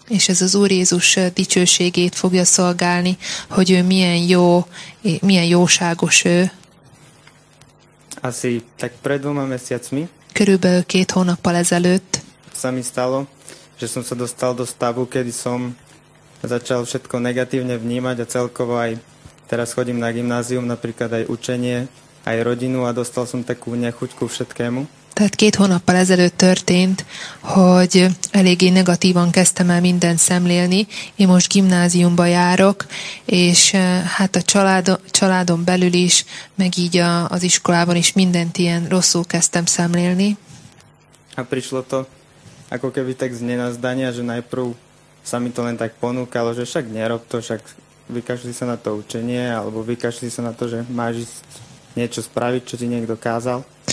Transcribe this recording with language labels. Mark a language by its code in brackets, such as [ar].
[hu] És ez az Úr Jézus dicsőségét fogja szolgálni, hogy ő milyen jó, milyen jóságos ő. [sk] Asi tak pred dvoma mesiacmi. [hu] Körülbelül két hónappal ezelőtt. [sk] Sa mi stalo, že som sa dostal do stavu, kedy som začal všetko negatívne vnímať a celkovo aj teraz chodím na gymnázium, napríklad aj učenie, aj rodinu a dostal som takú nechuť ku všetkému. [hu] Tehát két hónappal ezelőtt történt, hogy eléggé negatívan kezdtem el mindent szemlélni. Én most gimnáziumba járok, és hát a családom belül is, meg így az iskolában is mindent ilyen rosszul kezdtem szemlélni. [sk] A prišlo to, ako keby tak z nenazdania, že najprv sa mi to len tak ponúkalo, že však nerob to, však vykašli sa na to učenie, alebo vykašli sa na to, že máš ísť niečo spraviť, čo ti niekto kázal.